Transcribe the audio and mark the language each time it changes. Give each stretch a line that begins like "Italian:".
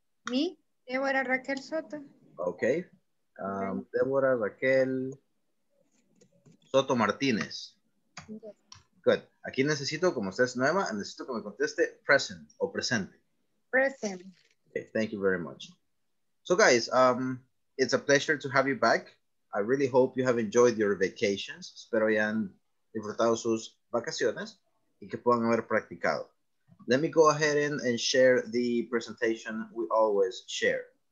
Spanish: Me, Débora Raquel Soto. Ok. Débora Raquel Soto Martínez. Good. Aquí necesito, como usted es nueva, necesito que me conteste present o presente.
English: Present. Okay, thank you very much. So guys, it's a pleasure to have you back. I really hope you have enjoyed your vacations.
Spanish: Espero hayan disfrutado sus vacaciones y que puedan haber practicado.
English: Let me go ahead and share the presentation we always share.